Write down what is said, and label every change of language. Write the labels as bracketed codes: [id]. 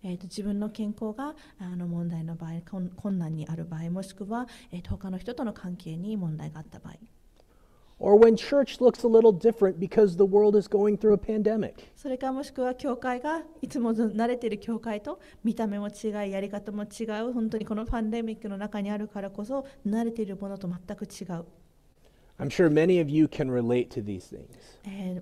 [ja] 自分の健康が問題の場合、困難にある場合、もしくは他の人との関係に問題があった場合。 [en] Or when church looks a little different because the world is going through a pandemic. [ja] それかもしくは教会がいつも慣れている教会と見た目も違い、やり方も違う、本当にこのパンデミックの中にあるからこそ慣れているものと全く違う。 [en] I'm sure many of you can relate to these things.